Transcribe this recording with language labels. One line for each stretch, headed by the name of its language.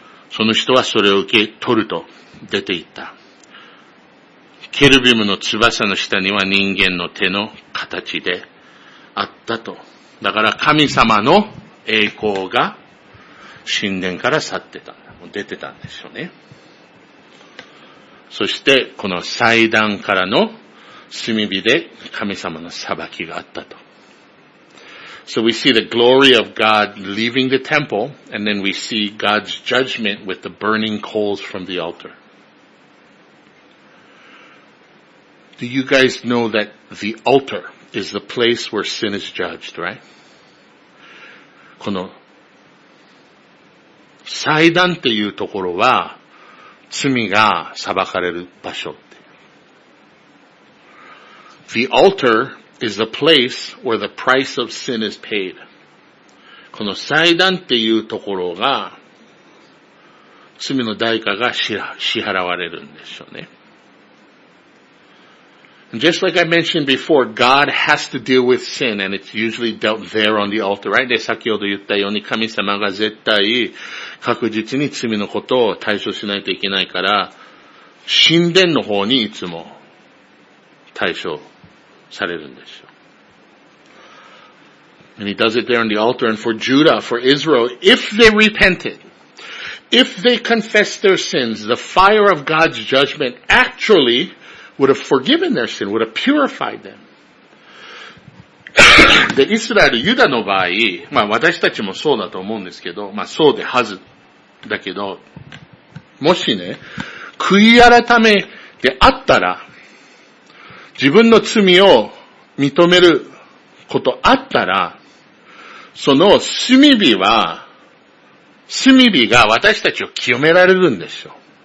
Japanese: その人はそれを受け取ると出て行った。ケルビムの翼の下には人間の手の形であったと。だから神様の栄光が神殿から去ってた。もう出てたんでしょうね。そしてこの祭壇からの炭火で神様の裁きがあったと。
English: So we see the glory of God leaving the temple, and then we see God's judgment with the burning coals from the altar. Do you guys know that the altar is the place where sin is judged, right?
Japanese: この祭壇っていうところは罪が裁かれる場所って。
English: The altar is the place where the price of sin is paid.
Japanese: この祭壇っていうところが罪の代価が支払われるんでしょうね。
English: Just like I mentioned before, God has to deal with sin, and it's usually dealt there on the altar, right?
Japanese: で、先ほど言ったように神様が絶対確実に罪のことを対処しないといけないから、神殿の方にいつも対処されるんですよ。
English: And he does it there on the altar, and for Judah, for Israel, if they repented, if they confessed their sins, the fire of God's judgment actually... would have forgiven their sin, would have purified them.
Japanese: で、イスラエル、ユダの場合、まあ私たちもそうだと思うんですけど、まあそうではず、だけど、もしね、悔い改めであったら、自分の罪を認めることあったら、その炭火が私たちを清められるんですよ。